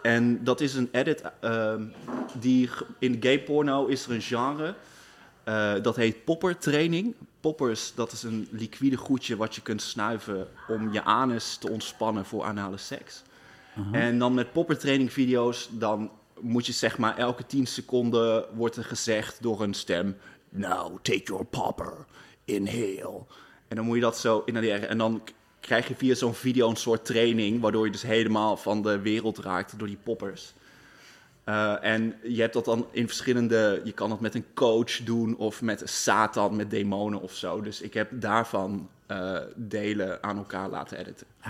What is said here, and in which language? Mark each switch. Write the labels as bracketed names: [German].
[Dutch] En dat is een edit die in gay porno is er een genre dat heet popper training. Poppers, dat is een liquide goedje wat je kunt snuiven om je anus te ontspannen voor anale seks. Uh-huh. En dan met poppertraining video's, dan moet je zeg maar elke 10 seconden wordt er gezegd door een stem... [English] Now take your popper, inhale. [Dutch] En dan moet je dat zo inhaleren. En dan krijg je via zo'n video een soort training, waardoor je dus helemaal van de wereld raakt door die poppers. En je hebt dat dan in verschillende... Je kan dat met een coach doen of met Satan, met demonen of zo. Dus ik heb daarvan... delen aan elkaar laten editen.